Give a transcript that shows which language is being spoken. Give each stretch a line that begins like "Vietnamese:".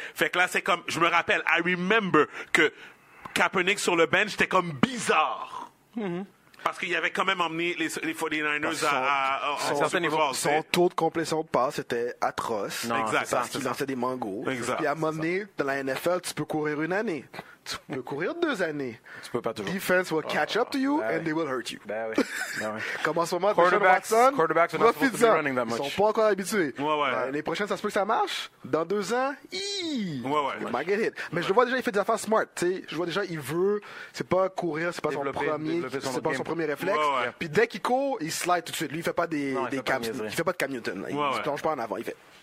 French: Fait que là, c'est comme, je me rappelle,
English: I remember
French: que Kaepernick sur le bench était comme bizarre. Mm-hmm. Parce qu'il avait quand même emmené les 49ers à certains niveaux. Son taux de complétion de passe était atroce. Non, exact. Parce qu'il lançait des mangos. Exact. Puis à un moment donné, dans la NFL, tu peux courir une année. Tu peux courir deux années. Tu peux pas toujours.
English: Defense will catch up to you and they will hurt you.
French: Ben oui. Comme en ce moment, quarterbacks
English: are not supposed to be running that much.
French: Ils sont pas encore habitués. Ouais. Les prochains, ça se peut que ça marche. Dans deux ans, Ouais.
English: Might get hit.
French: Mais je vois déjà, il fait des affaires smart. T'sais, je vois déjà, il veut. C'est pas courir, c'est pas son premier. C'est pas son premier réflexe. Puis dès qu'il court, il slide tout de suite. Lui, il fait pas des cams. Il fait pas de Cam Newton. Il plonge pas en avant. Il fait.